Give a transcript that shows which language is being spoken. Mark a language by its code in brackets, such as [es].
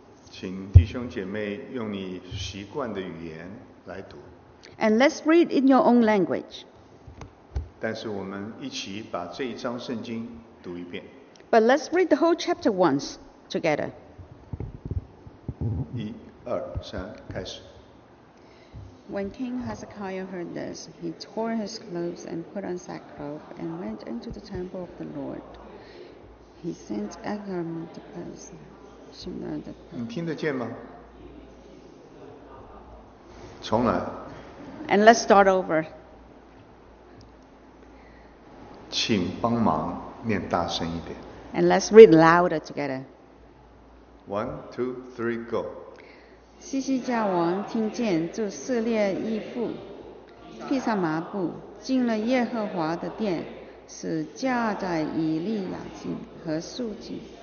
[zh] 请弟兄姐妹用你习惯的语言来读。 [en] And let's read in your own language. [zh] 但是我们一起把这一章圣经读一遍。 [en] But let's read the whole chapter once together. [zh] 一、二、三，开始。 [en] When King Hezekiah heard this, he tore his clothes and put on sackcloth and went into the temple of the Lord. He sent Ephraim the priest. [zh] 你听得见吗？重来。 [en] And let's start over. [zh] 请帮忙念大声一点。 [en] And let's read louder together. 1, 2, 3, go. [zh] 西西家王听见，就撕裂衣服，披上麻布，进了耶和华的殿，使架在以利亚敬和素敬。